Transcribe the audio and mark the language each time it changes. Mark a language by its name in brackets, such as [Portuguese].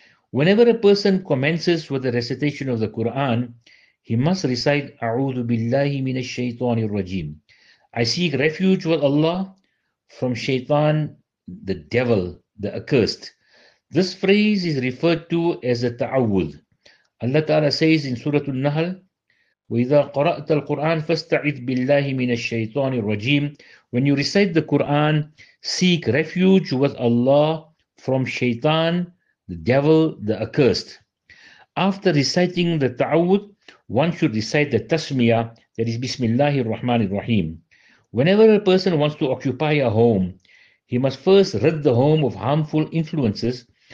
[English] Whenever a person commences with the recitation of the Quran, he must recite [Arabic] A'udhu billahi minash shaitanir rajim. [English] I seek refuge with Allah from shaitan, the devil, the accursed. This phrase is referred to as a ta'awudh. [Arabic] Allah Ta'ala says in Surah An-Nahl, وَإِذَا قَرَأْتَ الْقُرْآنَ فَاسْتَعِذْ بِاللَّهِ مِنَ الشَّيْطَانِ الرَّجِيمِ. [English] When you recite the Quran, seek refuge with Allah from shaitan, the devil, the accursed. After reciting the ta'awud, one should recite the tasmiyah, that is [Arabic] Bismillahir Rahmanir Rahim. [English] Whenever a person wants to occupy a home, he must first rid the home of harmful influences.